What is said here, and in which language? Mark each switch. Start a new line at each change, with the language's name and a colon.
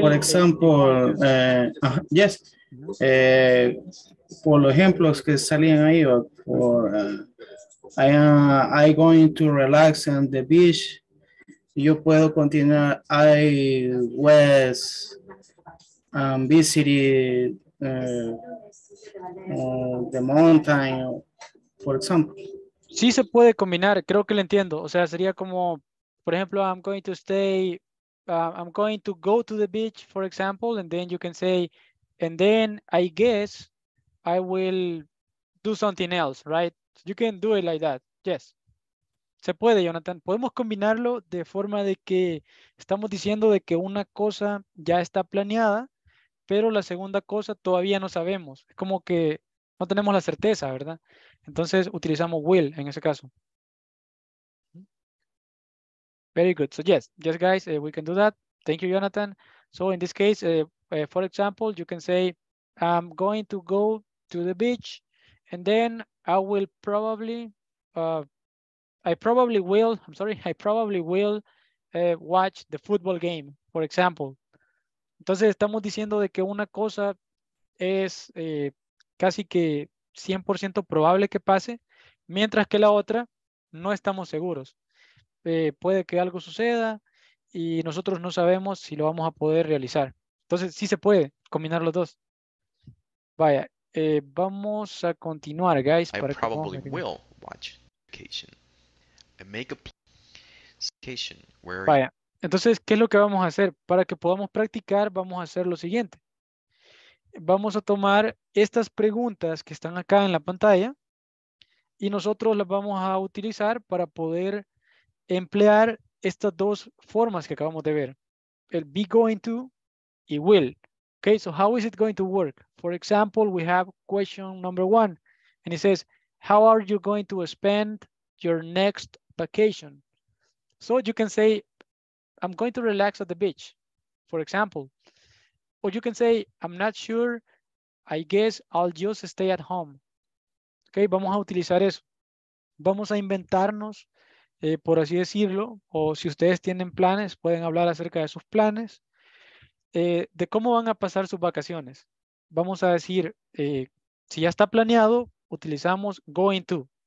English: For example, yes. Por los ejemplos que salían ahí, for I going to relax on the beach. Yo puedo continuar. I was visited the mountain, for example.
Spanish: Sí se puede combinar, creo que lo entiendo.
English: O sea, sería como, por ejemplo, I'm going to stay, I'm going to go to the beach, for example, and then you can say, and then I guess I will do something else, right? You can do it like that, yes. Se puede, Jonathan.
Spanish: Podemos combinarlo de forma de que estamos diciendo de que una cosa ya está planeada, pero la segunda cosa todavía no sabemos. Es como que no tenemos la certeza, ¿verdad? Entonces utilizamos will en ese caso.
English: Very good. So yes, yes guys, we can do that. Thank you, Jonathan. So in this case, for example, you can say, I'm going to go to the beach and then I will probably, I probably will watch the football game, for example.
Spanish: Entonces estamos diciendo de que una cosa es casi que 100% probable que pase, mientras que la otra no estamos seguros. Puede que algo suceda y nosotros no sabemos si lo vamos a poder realizar. Entonces sí se puede combinar los dos. Vaya, vamos a continuar, guys.
English: I probably will watch vacation. And make a vacation where.
Spanish: Vaya, entonces qué es lo que vamos a hacer para que podamos practicar. Vamos a hacer lo siguiente. Vamos a tomar estas preguntas que están acá en la pantalla y nosotros las vamos a utilizar para poder emplear estas dos formas que acabamos de ver. El be going to y will.
English: Okay, so how is it going to work? For example, we have question number one. And it says, how are you going to spend your next vacation? So you can say, I'm going to relax at the beach, for example. Or you can say, I'm not sure, I guess I'll just stay at home.
Spanish: Okay, vamos a utilizar eso. Vamos a inventarnos, por así decirlo, o si ustedes tienen planes, pueden hablar acerca de sus planes, de cómo van a pasar sus vacaciones. Vamos a decir, si ya está planeado, utilizamos going to.